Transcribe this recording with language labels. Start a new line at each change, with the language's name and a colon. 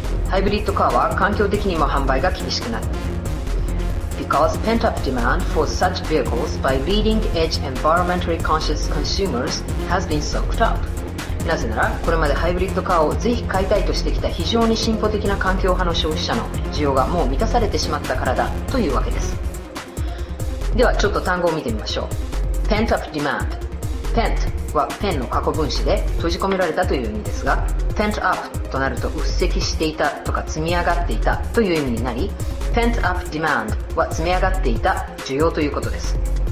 Japanese: ハイブリッドカーは環境的にも販売が厳しくなっている。
English: Because pent-up demand for such vehicles by leading-edge environmentally conscious consumers has been soaked up.
Japanese: なぜならこれまでハイブリッドカーをぜひ買いたいとしてきた非常に進歩的な環境派の消費者の需要がもう満たされてしまったからだというわけです。ではちょっと単語を見てみましょう。 Pent up demand。 Pent はペンの過去分詞で閉じ込められたという意味ですが、 Pent up となると鬱積していたとか積み上がっていたという意味になり、 Pent up demand は積み上がっていた需要ということです。